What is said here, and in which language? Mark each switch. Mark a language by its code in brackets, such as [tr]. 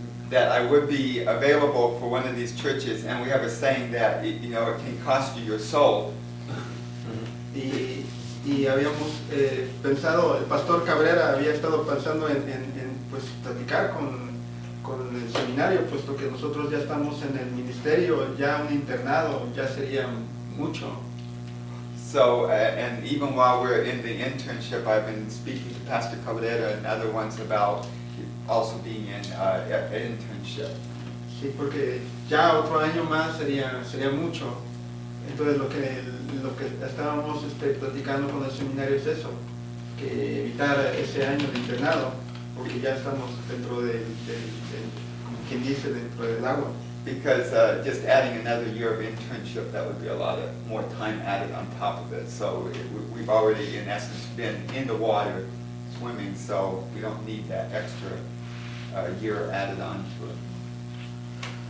[en] That I would be available for one of these churches, and we have a saying that it, you know, it can cost you your soul. [es] Y habíamos pensado, el pastor Cabrera había estado pensando en pues platicar con el seminario, puesto que nosotros ya estamos en el ministerio, ya un internado ya sería mucho. [en] So and even while we're in the internship, I've been speaking to Pastor Cabrera and other ones about also being in an internship. [es] Sí, porque ya otro año más sería mucho. Entonces lo que estábamos platicando con el seminario es eso, que evitar ese año de internado, porque ya estamos dentro del como quien dice, dentro del agua. [en] Because just adding another year of internship, that would be a lot of more time added on top of it. So we've already in essence been in the water swimming, so we don't need that extra year added on to it.